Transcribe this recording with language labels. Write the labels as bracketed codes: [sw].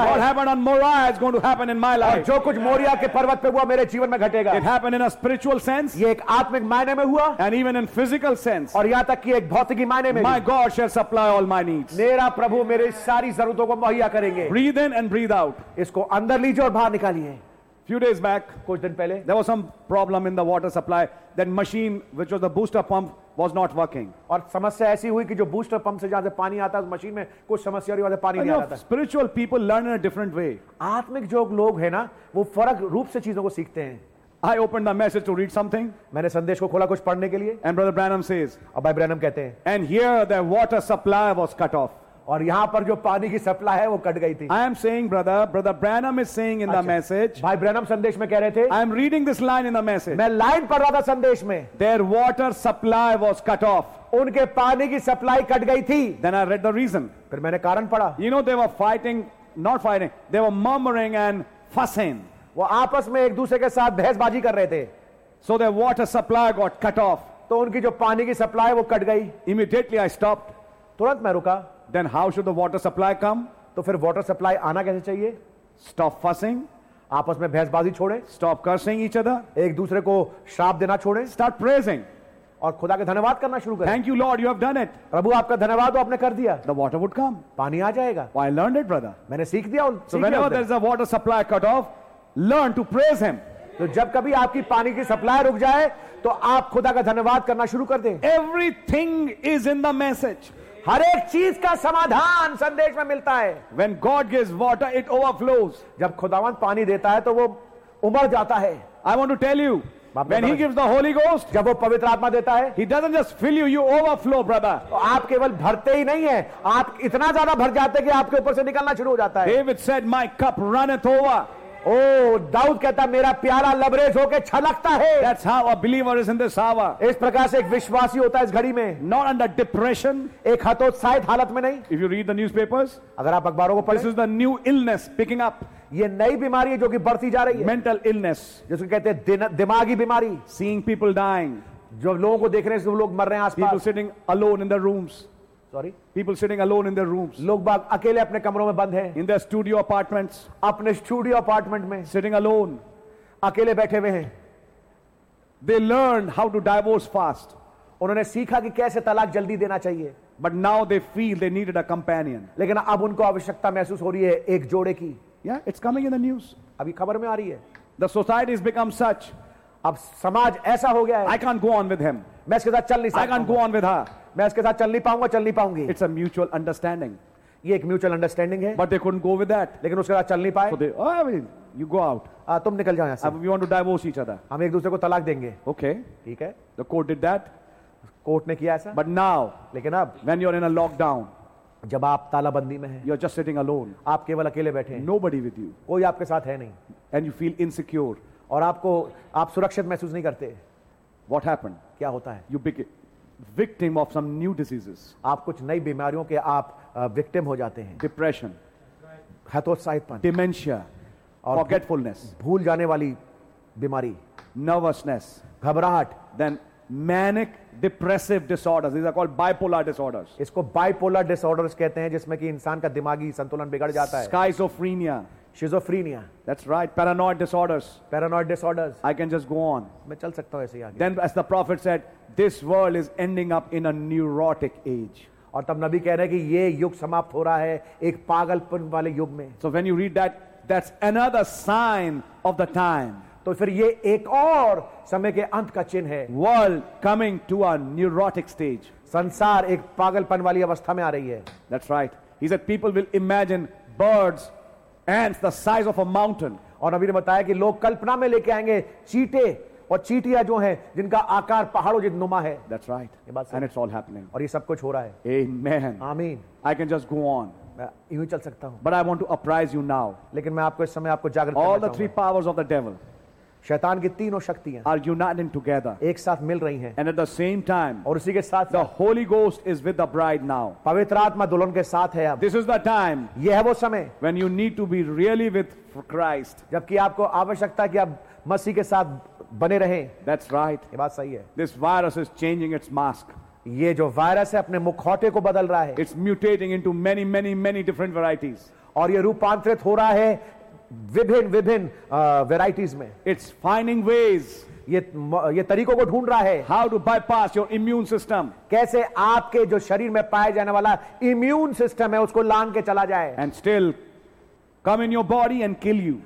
[en] है. What happened on Moriah is going to happen in my life. [hi] और जो कुछ मोरिया के पर्वत पे हुआ मेरे जीवन में घटेगा. [en] It happened in a spiritual sense. [hi] ये एक आत्मिक मायने में हुआ. [en] And even in physical sense. [hi] और यहाँ तक कि एक भौतिकी मायने में. [en] My God shall supply all my needs. [hi] मेरा प्रभु मेरे सारी जरूरतों को मुहैया करेंगे. [en] Breathe in and breathe out. [hi] इसको अंदर लीजिए और बाहर निकालिए. [en] Few days back, [hi] कुछ दिन पहले, [en] there was some problem in the water supply. That machine, which was the booster pump, was not working. [hi] और समस्या ऐसी हुई कि जो booster pump से जहाँ से पानी आता है, मशीन में कुछ समस्या आ रही वहाँ से पानी नहीं आ रहा था. [en] Spiritual people learn in a different way. [hi] आत्मिक जो लोग हैं ना, वो फर्क रूप से चीजों को सीखते हैं. [en] I opened the message to read something. [hi] मैंने संदेश को खोला कुछ पढ़ने के लिए. [en] And Brother Branham says. [hi] और भाई ब्रैनम कहते हैं. [en] And here the water supply was cut off. [hi] और यहाँ पर जो पानी की सप्लाई है वो कट गई थी. [en] I am saying brother Branham is saying in the message. [hi] भाई ब्रैनम संदेश में कह रहे थे. [en] I am reading this line in the message. [hi] मैं लाइन पढ़ रहा था संदेश में. [en] Their water supply was cut off. [hi] उनके पानी की सप्लाई कट गई थी. [en] Then I read the reason. [hi] फिर मैंने कारण पढ़ा. [en] You know they were fighting, not fighting, they were murmuring and fussing. [hi] वो आपस में एक दूसरे के साथ बहसबाजी कर रहे थे. [en] So their water supply got cut off. [hi] तो उनकी जो पानी की सप्लाई है वो कट गई. [en] Immediately I stopped. [hi] तुरंत मैं रुका. [en] Then how should the water supply come? [hi] तो फिर water supply आना कैसे चाहिए? [en] Stop fussing. [hi] आपस में बहसबाजी छोड़े. [en] Stop cursing each other. [hi] एक दूसरे को श्राप देना छोड़े. [en] Start praising. [hi] और खुदा के धन्यवाद करना शुरू करें. [en] Thank you Lord, you have done it. [hi] प्रभु आपका धन्यवाद तो आपने कर दिया. [en] The water would come. [hi] पानी आ जाएगा. [en] Well, I learned it, brother. [hi] मैंने सीख दिया. [en] So whenever there is a water supply cut off, learn to praise Him. [hi] तो जब कभी आपकी पानी की supply रुक जाए, तो आप खुदा का धन्यवाद करना शुरू कर दें. [en] Everything is in the message. [hi] हर एक चीज का समाधान संदेश में मिलता है. [en] When God gives water, it overflows. [hi] जब खुदावंद पानी देता है तो वो उमड़ जाता है. [en] I want to tell you, when He gives the Holy Ghost, [hi] जब वो पवित्र आत्मा देता है, [en] He doesn't just fill you, you overflow, brother. [hi] तो आप केवल भरते ही नहीं है, आप इतना ज्यादा भर जाते हैं कि आपके ऊपर से निकलना शुरू हो जाता है. [en] David said, My cup runneth over. [hi] Dawood कहता मेरा प्यारा लबरेज होके छलकता है. [en] That's how a believer is in this hour. [hi] इस प्रकार से एक विश्वासी होता है इस घड़ी में. [en] Not under depression. [hi] एक हतोत्साहित हालत में नहीं. [en] If you read the newspapers, [hi] अगर आप अखबारों को पढ़ें, [en] this is the new illness picking up. [hi] ये नई बीमारी है जो कि बढ़ती जा रही है. [en] Mental illness. [hi] जिसको कहते हैं दिमागी बीमारी. [en] Seeing people dying. [hi] जो लोगों को देख रहे हैं, जो लोग मर रहे हैं आसपास। [en] People sitting alone in their rooms. Sorry. People sitting alone in their rooms. [hi] लोग बाग अकेले अपने कमरों में बंद हैं। [en] In their studio apartments. [hi] अपने स्टूडियो अपार्टमेंट में। [en] Sitting alone. [hi] अकेले बैठे हुए हैं। [en] They learned how to divorce fast. [hi] उन्होंने सीखा कि कैसे तलाक जल्दी देना चाहिए। [en] But now they feel they needed a companion. [hi] लेकिन अब उनको आवश्यकता महसूस हो रही है एक जोड़े की। [en] Yeah, it's coming in the news. [hi] अभी खबर में आ रही है। [en] The society has become such. [hi] अब समाज ऐसा हो गया है। [en] I can't go on with him. [hi] मैं इसके साथ चल नहीं सकता। [en] I can't go on with her. [hi] मैं इसके साथ चल नहीं पाऊंगा, चल नहीं पाऊंगी। [en] It's a mutual understanding. [hi] ये एक [en] mutual understanding [hi] है। [en] But they couldn't go with that. [hi] लेकिन उसके साथ चल नहीं पाए। [en] So they, oh, I mean, you go out. [hi] तुम निकल जाओ यहाँ से। [en] We want to divorce each other. [hi] हम एक दूसरे को तलाक देंगे। [en] Okay. [hi] ठीक है। [en] The court did that. [hi] Court ने किया ऐसा। [en] But now, [hi] लेकिन अब, [en] when you're in a lockdown, [hi] जब आप तालाबंदी में हैं, [en] you're just sitting alone. [hi] आप केवल अकेले बैठे हैं। [en] Nobody with you. [hi] कोई आपके साथ है नहीं। [en] And you feel insecure. [hi] और आपको आप सुरक्षित महसूस नहीं करते। [en] What happened? [hi] क्या होता है? [en] You become victim of some new diseases. [hi] आप कुछ नई बीमारियों के आप victim हो जाते हैं। [en] Depression. [hi] हतोत्साहितपन। [en] Dementia. [hi] और [en] forgetfulness. [hi] भूल जाने वाली बीमारी। [en] Nervousness. [hi] घबराहट। [en] Then manic depressive disorders. These are called bipolar disorders. [hi] इसको bipolar disorders कहते हैं, जिसमें कि इंसान का दिमागी संतुलन बिगड़ जाता है। [en] Schizophrenia. Schizophrenia. That's right. Paranoid disorders. Paranoid disorders. I can just go on. [hi] मैं चल सकता हूँ ऐसे आगे. [en] Then, as the prophet said, this world is ending up in a neurotic age. [hi] और तब नबी कह रहे हैं कि ये युग समाप्त हो रहा है एक पागलपन वाले युग में. [en] So when you read that, that's another sign of the time. [hi] तो फिर ये एक और समय के अंत का चिन्ह है. [en] World coming to a neurotic stage. [hi] संसार एक पागलपन वाली अवस्था में आ रही है. [en] That's right. He said people will imagine birds. Ants the size of a mountain. [hi] और अभी ने बताया कि लोग कल्पना में लेके आएंगे चीटे और चीटियां जो हैं जिनका आकार पहाड़ों जितना नुमा है. [en] That's right. [hi] ये बात सही. [en] And it's all happening. [hi] और ये सब कुछ हो रहा है. [en] Amen. Amen. I can just go on. [hi] मैं यूं चल सकता हूँ. [en] But I want to apprise you now. [hi] लेकिन मैं आपको इस समय आपको जागृत करना चाहूँगा. [en] All the three powers of the devil. [hi] शैतान की तीनों शक्तियां [en] are united together. [hi] एक साथ मिल रही हैं. [en] And at the same time, [hi] और उसी के साथ [en] the Holy Ghost is with the bride now. [hi] पवित्र आत्मा दुल्हन के साथ है अब. [en] This is the time. [hi] यह है वो समय. [en] When you need to be really with Christ. [hi] जबकि आपको आवश्यकता है कि आप मसीह के साथ बने रहें. [en] That's right. [hi] ये बात सही है. [en] This virus is changing its mask. [hi] ये जो वायरस है अपने मुखौटे को बदल रहा है. [en] It's mutating into many, many, many different varieties. [hi] और ये रूपांतरित हो रहा है. विभिन्न वेराइटीज में. [en] It's finding ways. [hi] ये तरीकों को ढूंढ रहा है. [en] How to bypass your immune system. [hi] कैसे आपके जो शरीर में पाया जाने वाला इम्यून सिस्टम है उसको लांग के चला जाए. [en] And still come in your body and kill you.